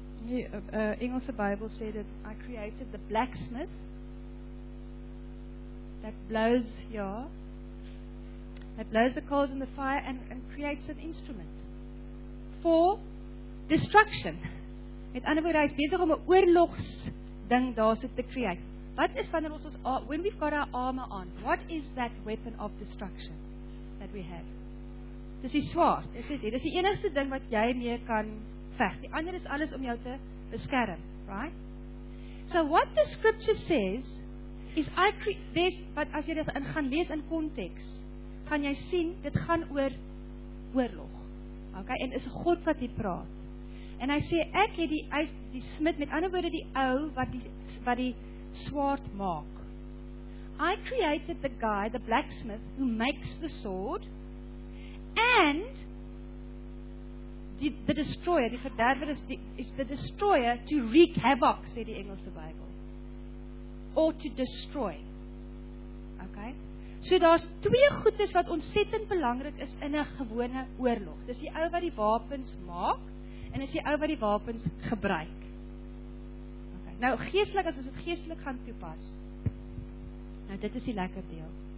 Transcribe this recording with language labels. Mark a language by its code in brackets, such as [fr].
[af] Die Engelse Bybel sê dat [en] I created the blacksmith that blows, ja, that blows the coals in the fire and creates an instrument for destruction. [af] Met ander woorde, hy is besig om 'n oorlogsding daarso te create. Wat is wanneer ons [en] when we've got our armor on, what is that weapon of destruction that we have? [af] Dis die swaard, is dit? Dis die enigste ding wat jy mee kan veg. Die ander is alles om jou te beskerm, right? [en] So what the scripture says is but [af] as jy dit gaan lees in konteks, gaan jy sien dit gaan oor oorlog. Okay, en is God wat hier praat. En hy sê ek het die smid, met ander woorde die ou wat die swaard maak. [en] I created the guy, the blacksmith, who makes the sword, and the destroyer, the verderver is the destroyer to wreak havoc, [af] sê die Engelse Bybel. [en] Or to destroy. Okay? [af] So daar's twee goedes wat ontsettend belangrik is in 'n gewone oorlog. Dis die ou wat die wapens maak, en is die ou wat die wapens gebruik. Okay. Nou geestelik, as ons dit geestelik gaan toepas. Nou dit is die lekker deel.